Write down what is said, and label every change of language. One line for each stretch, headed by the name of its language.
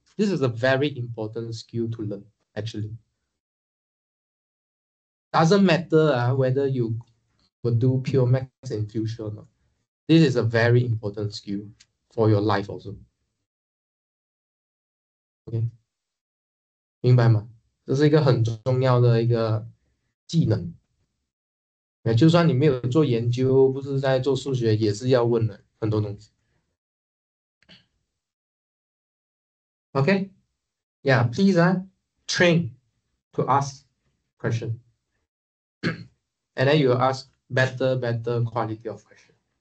English: This is a very important skill to learn, actually. Doesn't matter whether you will do pure max in future or not. This is a very important skill for your life also. Okay.
Chinese: 明白吗？这是一个很重要的一个技能。就算你没有做研究，不是在做数学，也是要问的很多东西。
English: Okay, yeah, please train to ask question, and then you ask better quality of question.